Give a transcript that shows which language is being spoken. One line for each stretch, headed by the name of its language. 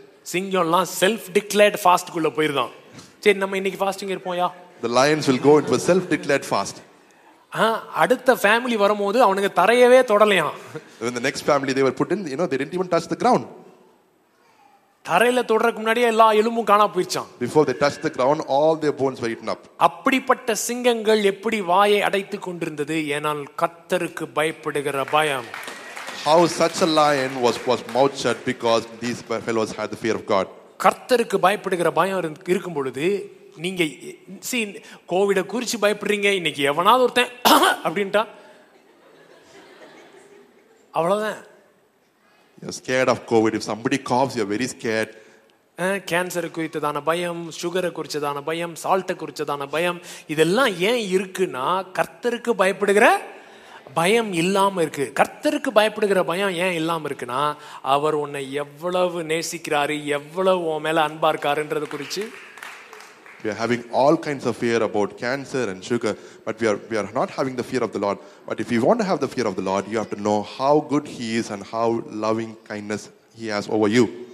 Tamil: சிங்கம் எல்லாம்
English: self declared fast
Tamil: குள்ள போயிரும். சரி, நம்ம இன்னைக்கு fasting இருப்போம்யா.
English: The lions will go into a self declared fast.
Tamil: அடுத்த ஃபேமிலி வரும்போது அவனுக்கு தரையவே தொடலையா.
English: When the next family they were put in, you know, they didn't even touch the ground.
Tamil: தரையில தொடறதுக்கு முன்னாடியே எல்லா எலும்பும் காணாம போயிடுச்சான்.
English: Before they touched the ground, all their bones were eaten up.
Tamil: அப்படிப்பட்ட சிங்கங்கள் எப்படி வாயை அடைத்துக் கொண்டிருந்தது? ஏனால் கர்த்தருக்கு பயப்படுகிற பயம்.
English: How such a lion was mouth shut because these fellows had the fear of God.
Tamil: கர்த்தருக்கு பயப்படுகிற பயம் இருக்கும் பொழுது நீங்க see covid குறிச்சு பயப்படுறீங்க. இன்னைக்கு எவனாவது ஒருத்தன் அப்படின்டா அவ்வளவுதான்.
English: You're scared of covid. If somebody coughs, you're very scared.
Tamil: Cancer குறித்ததான பயம், சுகரை குறிச்சதான பயம், சால்ட்டை குறிச்சதான பயம், இதெல்லாம் ஏன் இருக்குன்னா கர்த்தருக்கு பயப்படுகிற பயம் இல்லாம இருக்கு. கர்த்தருக்கு பயப்படுகிற பயம் ஏன் இல்லாம இருக்குன்னா, அவர் உன்னை எவ்வளவு நேசிக்கிறாரு, எவ்வளவு உன் மேல அன்பா இருக்காருன்றது குறிச்சு.
English: We are having all kinds of fear about cancer and sugar, but we are not having the fear of the Lord. But if you want to have the fear of the Lord, you have to know how good he is and how loving kindness he has over you.